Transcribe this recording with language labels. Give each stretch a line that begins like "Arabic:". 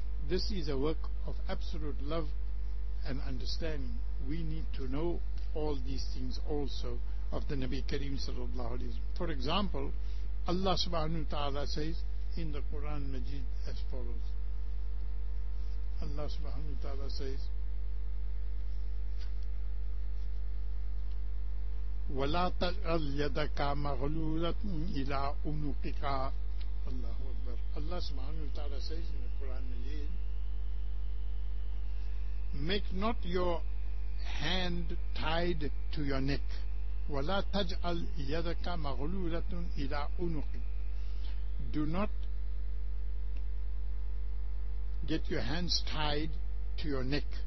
English: This is a work of absolute love and understanding. We need to know all these things also of the Nabi Kareem sallallahu alayhi wa sallam. For example, Allah subhanahu wa ta'ala says in the Quran Majid as follows.
Arabic: Allah subhanahu wa ta'ala says, وَلَا تَجْعَلْ يَدَكَ مَغْلُولَةً إِلَىٰ عُنُقِكَ. Allahu Akbar.
English: Allah subhanahu wa ta'ala says in the Quran Majid, make not your hand tied to your neck.
Arabic: وَلَا تَجْعَلْ يَدَكَ مَغْلُولَةٌ إِلَىٰ عُنُقِكَ.
English: Do not get your hands tied to your neck.